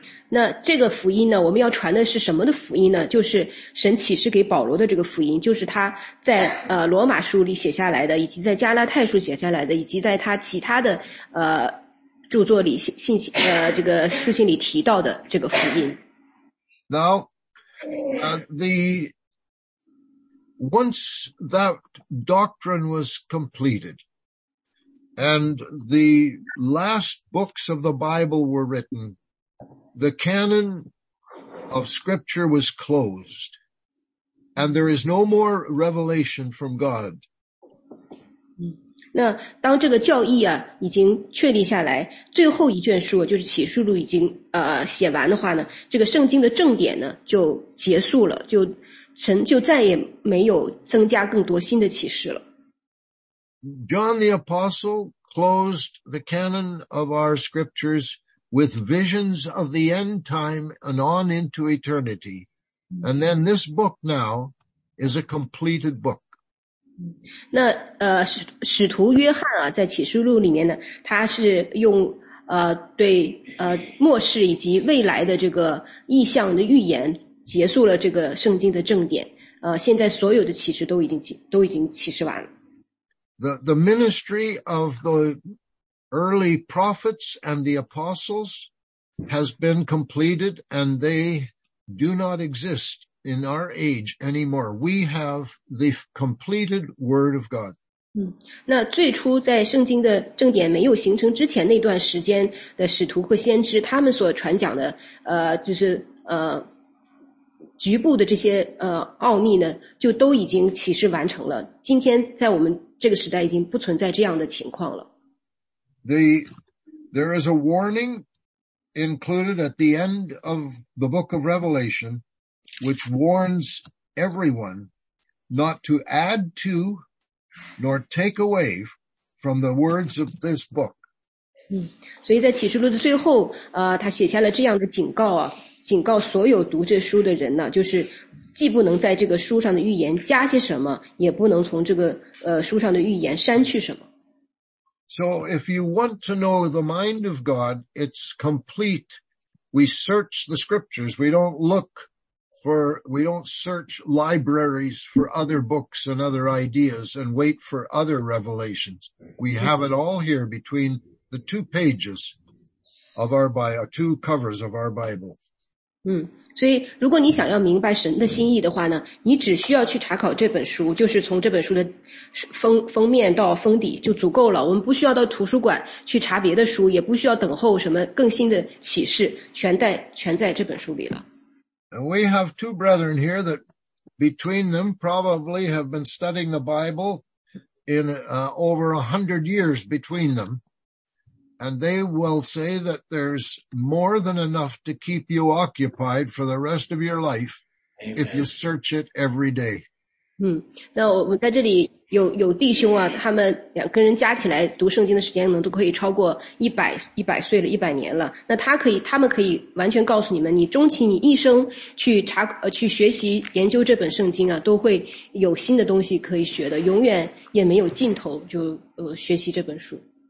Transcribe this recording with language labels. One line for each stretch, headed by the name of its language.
Chinese: 那这个福音呢，我们要传的是什么的福音呢？就是神启示给保罗的这个福音，就是他在罗马书里写下来的，以及在加拉太书写下来的，以及在他其他的著作里这个书信里提到的这个福音。
English: Now. The once that doctrine was completed and the last books of the Bible were written, the canon of scripture was closed and there is no more revelation from God.
Chinese: 那当这个教义啊已经确立下来，最后一卷书就是启示录已经写完的话呢，这个圣经的正典呢就结束了，就神就再也没有增加更多新的启示了。
English: John the Apostle closed the canon of our scriptures with visions of the end time and on into eternity. And then this book now is a completed book.
Chinese: 那使徒约翰啊，在启示录里面呢，他是用对末世以及未来的这个意象的预言，结束了这个圣经的正典。现在所有的启示都已经启示完了。
English: The ministry of the early prophets and the apostles has been completed, and they do not exist in our age anymore. We have the completed word of God.
Chinese: 那最初在圣经的正典没有形成之前那段时间的使徒和先知，他们所传讲的就是局部的这些奥秘呢，就都已经启示完成了。今天在我们这个时代已经不存在这样的情况了。
English: There is a warning included at the end of the book of Revelation, which warns everyone not to add to nor take away from the words of this book.
Chinese: 所以在启示录的最后他写下了这样的警告啊，警告所有读这书的人呢，就是既不能在这个书上的预言加些什么，也不能从这个书上的预言删去什么。
English: So if you want to know the mind of God, it's complete. We search the scriptures. We don't search libraries for other books and other ideas and wait for other revelations. We have it all here between the two pages of our Bible, two covers of our Bible.
Chinese: 所以如果你想要明白神的心意的话呢，你只需要去查考这本书，就是从这本书的封面到封底就足够了。我们不需要到图书馆去查别的书，也不需要等候什么更新的启示，全在这本书里了。
English: And we have two brethren here that between them probably have been studying the Bible in over 100 years between them. And they will say that there's more than enough to keep you occupied for the rest of your life. Amen. If you search it every day.
Chinese: 那我们在这里有弟兄啊，他们两个人加起来读圣经的时间呢都可以超过100岁了，100年了。那他们可以完全告诉你们，你终其你一生去学习研究这本圣经啊，都会有新的东西可以学的，永远也没有尽头，就学习这本书。